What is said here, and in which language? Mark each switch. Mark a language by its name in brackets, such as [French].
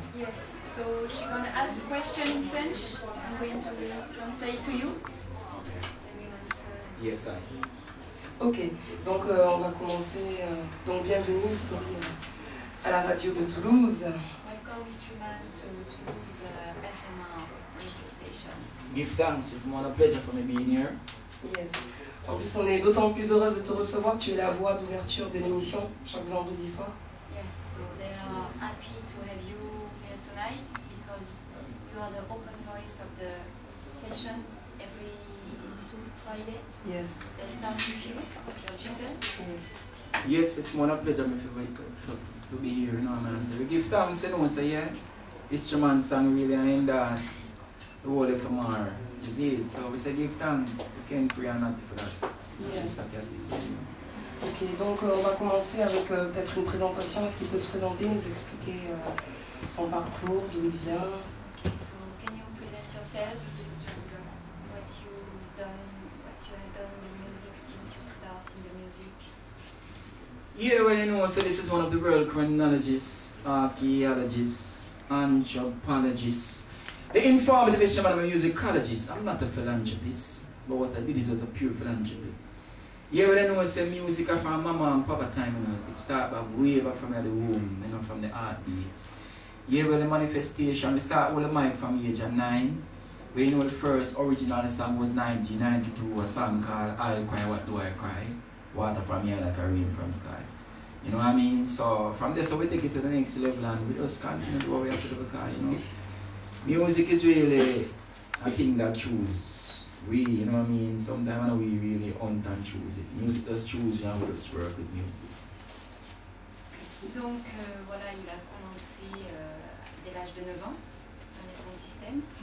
[English] Yes, so she gonna ask a question in French. I'm going to translate to you. Yes, sir. [French] Ok, donc on va commencer. Donc bienvenue HISTORY à la radio de Toulouse. [English] Welcome HISTORYMAN to Toulouse FMA radio station. Give thanks, it's more a pleasure for me being here. Yes. [French] En plus, on est d'autant plus heureuse de te recevoir. Tu es la voix d'ouverture de l'émission chaque vendredi soir. [English] Yeah, so they are happy to have you here tonight because you are the open voice of the session every Friday. Yes. They start with you, of your jingle. Yes. Yes, it's more a pleasure for me to be here. No, I'm answering. Give thanks, and once again, it's your man, Sam, really, and us. The whole FMR is it. So we say give thanks. We can't pray on that for that. Yes. [French] Ok, donc on va commencer avec peut-être une présentation. Est-ce qu'il peut se présenter, nous expliquer son parcours, d'où il vient? [English] Okay, so can you present yourself? What you done, what you have done in the music since you start in the music? Yeah, well, you know, so this is one of the world chronologists, archaeologists, anthropologists. The informative instrument of a musicologist. I'm not a philanthropist, but what I did is out of pure philanthropy. Yeah, well, I know say music from mama and papa time, you know. It start back way back from the womb, you know, from the heartbeat. Yeah, well, the manifestation, we start with the mic from the age of 9. Well, you know, the first original song was 1992, a song called I Cry, What Do I Cry? Water from here like a rain from sky. You know what I mean? So, from this, so we take it to the next level and we just continue to do what we have to do, because, you know. Music is really a thing that choose we, you know what I mean? Sometimes we really hunt and choose it. Music does choose and we just work with music. [French] Donc voilà, il a commencé dès l'âge de 9 ans, connaissant le système.